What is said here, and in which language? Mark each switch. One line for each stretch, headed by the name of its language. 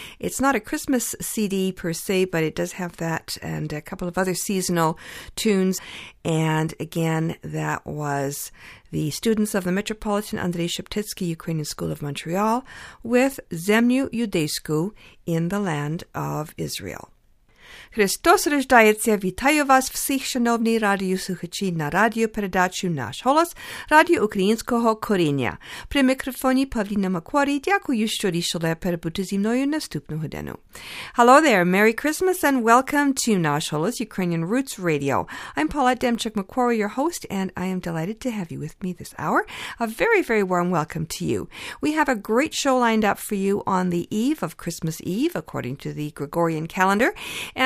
English: It's not a Christmas CD per se, but it does have that and a couple of other seasonal tunes. And again, that was the students of the Metropolitan Andrei Sheptytsky Ukrainian School of Montreal with Zemnyu Yudeysku in the land of Israel.
Ukrainian: Христос рождається! Вітаю вас всіх, шановні радіослухачі, на радіопередачу «Наш голос» Радіо Українського коріння. При мікрофоні Павліна Макварі. Дякую, що рішили перебути зі мною наступну годину.
English: Hello there! Merry Christmas and welcome to «Наш голос» Ukrainian Roots Radio. I'm Paula Demchuk-McQuarrie, your host, and I am delighted to have you with me this hour. A very, very warm welcome to you. We have a great show lined up for you on the eve of Christmas Eve, according to the Gregorian calendar, and